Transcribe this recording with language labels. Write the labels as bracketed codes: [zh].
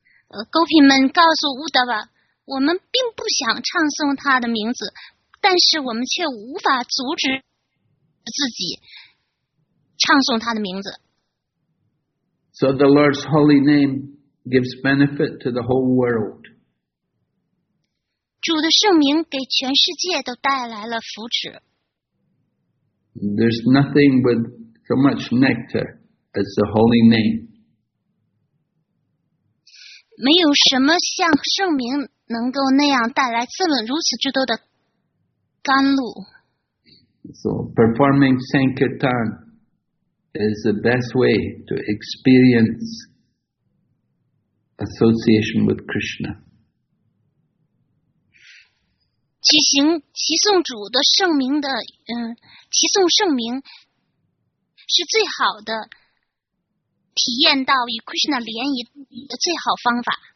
[zh] Gopi 们告诉 Uddhava, 我们并不想唱诵他的名字，但是我们却无法阻止自己唱诵他的名字。 [en] So the Lord's holy name gives benefit to the whole world. [zh] 主的圣名给全世界都带来了福祉。 [en] There's nothing with so much nectar as the holy name. [zh] 没有什么像圣名能够那样带来这么如此之多的甘露。 [en] So performing Sankirtan is the best way to experience association with Krishna. [zh] 其诵主的圣名的其诵圣名是最好的体验到与 Krishna 联谊的最好方法。